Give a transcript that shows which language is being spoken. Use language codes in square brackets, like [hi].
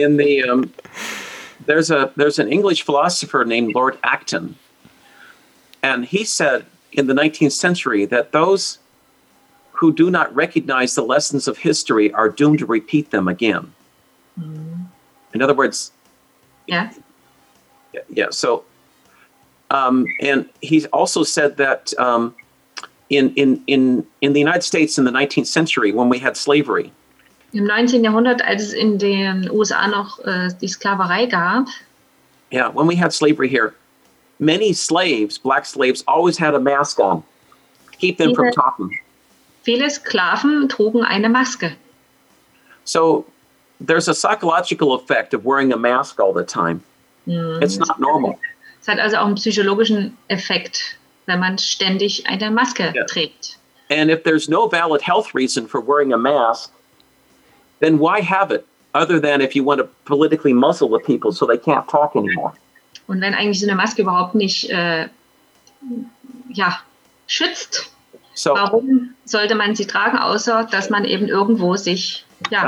[en] In the there's an English philosopher named Lord Acton, and he said in the 19th century that those who do not recognize the lessons of history are doomed to repeat them again. In other words, yeah. So, and he's also said that in the United States in the 19th century, when we had slavery. [de] Im 19. Jahrhundert, als es in den USA noch die Sklaverei gab. [en] Yeah, when we had slavery here, many slaves, black slaves, always had a mask on, keep them from talking. [de] Viele Sklaven trugen eine Maske. [en] So there's a psychological effect of wearing a mask all the time. It's not normal. [de] Es hat also auch einen psychologischen Effekt, wenn man ständig eine Maske trägt. [en] And if there's no valid health reason for wearing a mask, then why have it, other than if you want to politically muzzle the people so they can't talk anymore? [de] Und wenn eigentlich so eine Maske überhaupt nicht schützt, so, warum sollte man sie tragen, außer dass man eben irgendwo sich, ja,